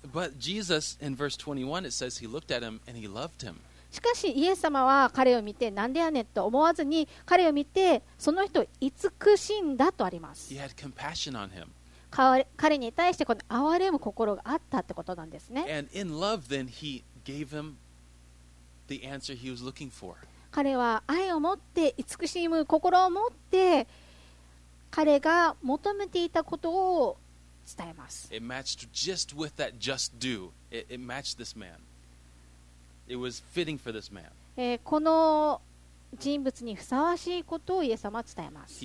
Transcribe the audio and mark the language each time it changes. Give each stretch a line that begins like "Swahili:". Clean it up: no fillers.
English: But Jesus, in verse 21, it says he looked at him and he loved him.
Japanese: しかし、イエス様は彼を見て、何でやねんと思わずに、彼を見て、その人を慈しんだとあります。
English: He had compassion on him.
Japanese: 彼に対してこの憐れむ心があったってことなんですね。
English: And in love, then he gave him the answer he was looking for.
Japanese: 彼は愛を持って慈しむ心を持って彼が求めていたことを伝えます。
English: It matched just with that just do. It matched this man. It was fitting for this man.
Japanese: この人物にふさわしいことをイエス様は伝えます。